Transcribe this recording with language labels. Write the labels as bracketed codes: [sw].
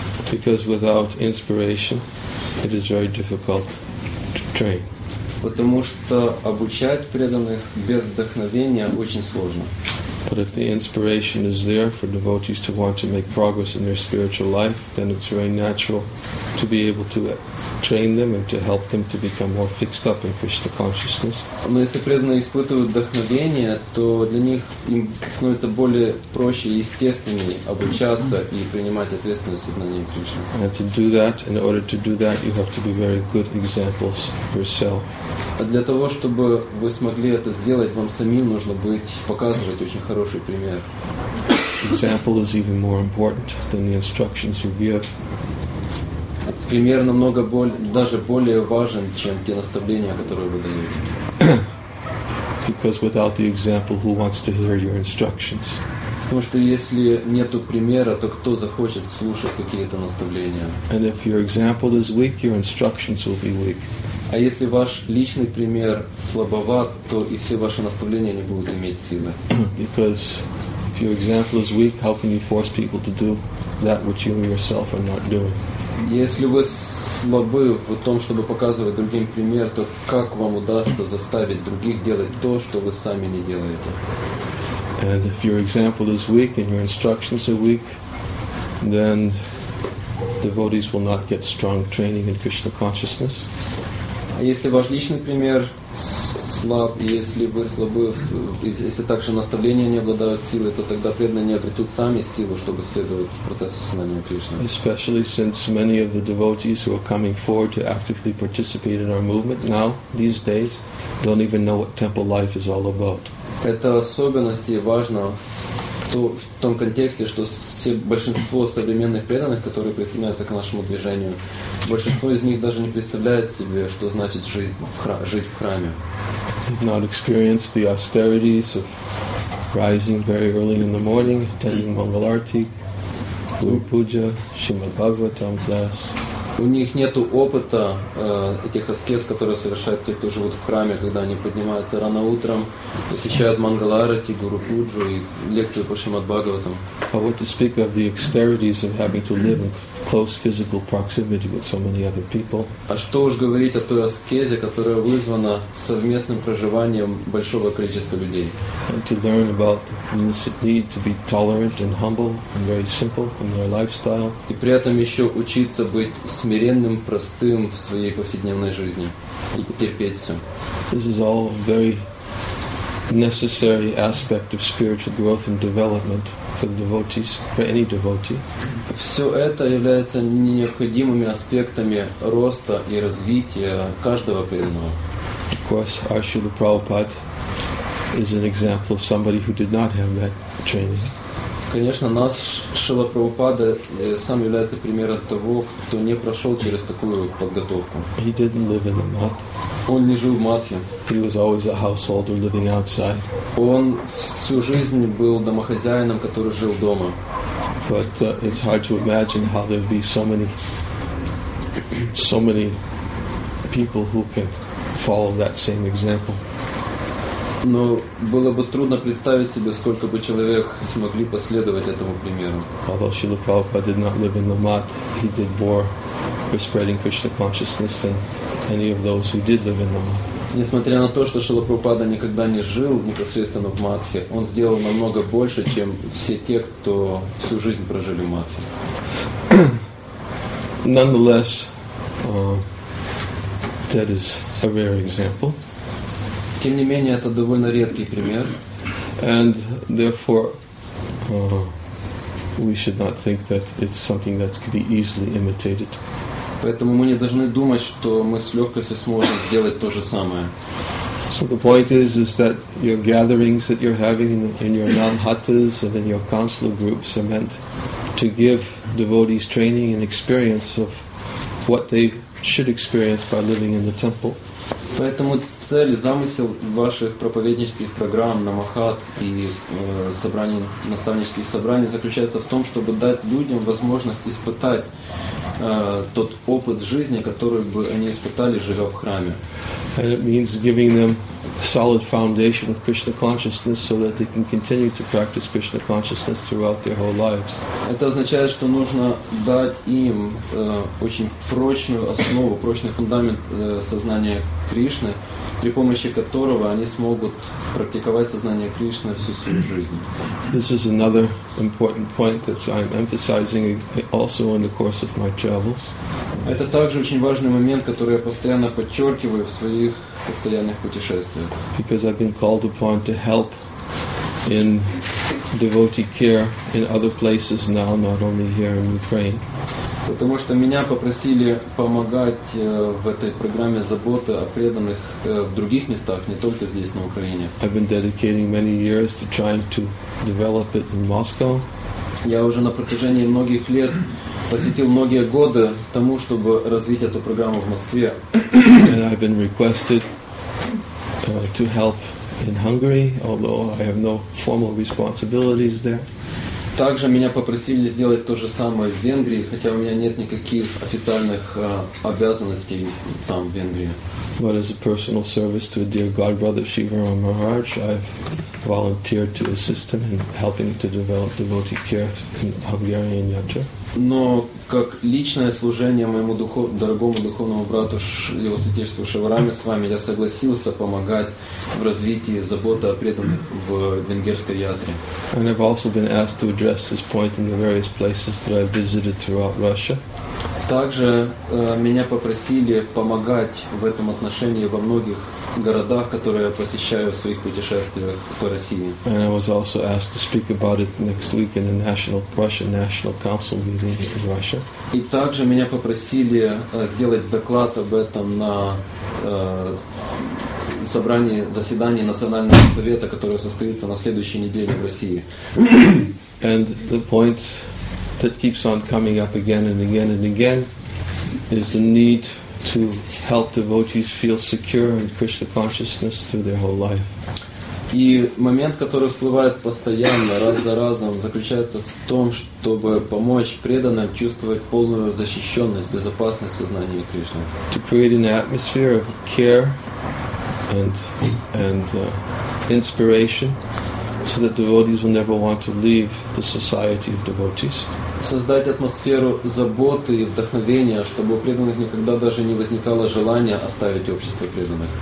[en] Because without inspiration, it is very difficult to train. [ru] Потому что обучать преданных без вдохновения очень сложно. [en] But if the inspiration is there for devotees to want to make progress in their spiritual life, then it's very natural to be able to train them and to help them to become more fixed up in Krishna consciousness. [ru] Но если преданные испытывают вдохновение, то для них им становится более проще и естественнее обучаться и принимать ответственность за знание Кришны. [en] And to do that, in order to do that, you have to be very good examples yourself. [ru] А для того, чтобы вы смогли это сделать, вам самим нужно быть показывать очень хороший пример. [en] example is even more important than the instructions you give. [ru] Пример намного даже более важен, чем те наставления, которые вы даете. [en] Because without the example, who wants to hear your instructions? [ru] Потому что если нету примера, то кто захочет слушать какие-то наставления? [en] And if your example is weak, your instructions will be weak. [ru] А если ваш личный пример слабоват, то и все ваши наставления не будут иметь силы. [en] Because if your example is weak, how can you force people to do that which you yourself are not doing? [ru] Если вы слабы в том, чтобы показывать другим пример, то как вам удастся заставить других делать то, что вы сами не делаете? [en] And if your example is weak and your instructions are weak, then devotees will not get strong training in Krishna consciousness. [ru] Если ваш личный пример слаб, и если вы слабы, если также наставления не обладают силой, то тогда преданные не обретут сами силу, чтобы следовать процессу сознания Кришны. [en] Especially since many of the devotees who are coming forward to actively participate in our movement now, these days, don't even know what temple life is all about. [ru] Это особенности важно в том контексте, что большинство современных преданных, которые присоединяются к нашему движению, большинство из них даже не представляет себе, что значит жить в храме. [en] They've not experienced the austerities of rising very early in the morning, attending Mangal Arati, Guru Puja, Shrimad Bhagavatam class. [ru] У них нету опыта этих аскез, которые совершают те, кто живут в храме, когда они поднимаются рано утром, посещают Мангал Арати, Гуру Пуджу и лекцию по Шримад Бхагаватам. [en] But what to speak of the austerities of having to live in close physical proximity with so many other people? [ru] А что уж говорить о той аскезе, которая вызвана совместным проживанием большого количества людей? [en] And to learn about the need to be tolerant and humble and very simple in their lifestyle. [ru] И при этом еще учиться быть смиренным, простым в своей повседневной жизни и терпеть все. [en] This is all very necessary aspect of spiritual growth and development for the devotees, for any devotee. [ru] Все это является необходимыми аспектами роста и развития каждого преданного. [en] Of course, Ashwala Prabhupada is an example of somebody who did not have that training. [ru] Конечно, наш Шрила Прабхупада сам является примером того, кто не прошел через такую подготовку. [en] He didn't live in a mat. [ru] Он не жил в матхе. [en] He was always a householder living outside. [ru] Он всю жизнь был домохозяином, который жил дома. [en] But it's hard to imagine how there'd be so many people who can follow that same example. [ru] Но было бы трудно представить себе, сколько бы человек смогли последовать этому примеру. [en] Although Srila Prabhupada did not live in the mat, he did more for spreading Krishna consciousness than any of those who did live in the mat. [ru] Несмотря на то, что Шрила Прабхупада никогда не жил непосредственно в матхе, он сделал намного больше, чем все те, кто всю жизнь прожили в матхе. [en] Nonetheless, that is a rare example. [ru] Тем не менее, это довольно редкий пример. [en] And therefore, we should not think that it's something that could be easily imitated. [ru] Поэтому мы не должны думать, что мы с легкостью сможем сделать то же самое. [en] So the point is that your gatherings that you're having in your nanhatas and in your counselor groups are meant to give devotees training and experience of what they should experience by living in the temple. [ru] Поэтому цель и замысел ваших проповеднических программ на Махат и собраний, наставнических собраний заключается в том, чтобы дать людям возможность испытать тот опыт жизни, который бы они испытали, живя в храме. [en] And it means giving them solid foundation of Krishna consciousness so that they can continue to practice Krishna consciousness throughout their whole lives. [ru] Это означает, что нужно дать им очень прочную основу, прочный фундамент сознания Кришны, при помощи которого они смогут практиковать сознание Кришны всю свою жизнь. [en] This is another important point that I'm emphasizing also in the course of my travels. [ru] Это также очень важный момент, который я постоянно подчеркиваю в своих постоянных путешествиях. [en] Because I've been called upon to help in devotee care in other places now, not only here in Ukraine. [ru] Потому что меня попросили помогать в этой программе заботы о преданных в других местах, не только здесь, на Украине. [en] I've been dedicating many years to trying to develop it in Moscow. [ru] Я уже на протяжении многих лет посвятил многие годы тому, чтобы развить эту программу в Москве. [en] And I've been requested to help in Hungary, although I have no formal responsibilities there. [ru] Также меня попросили сделать то же самое в Венгрии, хотя у меня нет никаких официальных обязанностей там, в Венгрии. [en] But as a personal service to a dear God brother Shivaram Maharaj, I've volunteered to assist him in helping to develop devotee care in Hungarian Yatra. [ru] Но как личное служение моему дорогому духовному брату Его Святейшеству Шивараме с вами, я согласился помогать в развитии заботы о преданных в венгерской ятре. [en] And I've also been asked to address this point in the various places that I've visited throughout Russia. [ru] Также меня попросили помогать в этом отношении во многих городах, которые я посещаю в своих путешествиях по России. [en] And I was also asked to speak about it next week in the National Russian National Council meeting in Russia. [ru] И также меня попросили сделать доклад об этом на заседании Национального совета, которое состоится на следующей неделе в России. [en] And the point that keeps on coming up again and again and again is the need to help devotees feel secure in Krishna consciousness through their whole life. [ru] И момент, который всплывает постоянно, раз за разом, заключается в том, чтобы помочь преданным чувствовать полную защищенность, безопасность в сознании Кришны. [en] To create an atmosphere of care and inspiration so that devotees will never want to leave the society of devotees. [ru] Создать атмосферу заботы и вдохновения, чтобы у преданных никогда даже не возникало желания оставить общество преданных.